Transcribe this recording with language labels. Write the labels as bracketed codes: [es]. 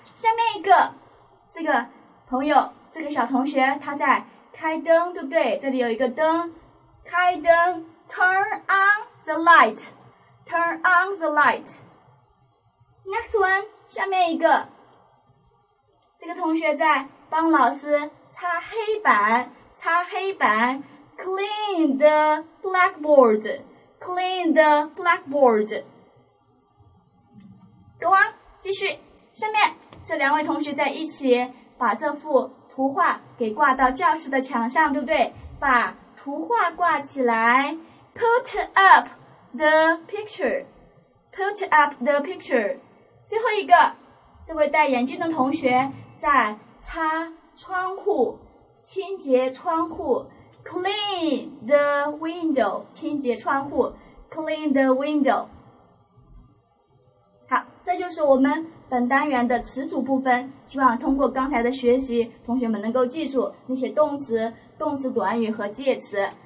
[zh] 下面一个，这个朋友，这个小同学，她在开灯，对不对？这里有一个灯，开灯 ， [en] turn on the light， [zh] turn on the light。 [en] Next one。 [zh] 下面一个，这个同学在帮老师擦黑板，擦黑板 ， [en] clean the blackboard，clean the blackboard。 Go on， 继续。 [zh] 下面这两位同学在一起把这幅图画给挂到教室的墙上，对不对？把图画挂起来 ， [en] put up the picture， [zh] put up the picture。最后一个。这位戴眼镜的同学在擦窗户，清洁窗户 ， [en] clean the window， [zh] 清洁窗户 ，clean the window。好，这就是我们本单元的词组部分，希望通过刚才的学习，同学们能够记住那些动词短语和介词。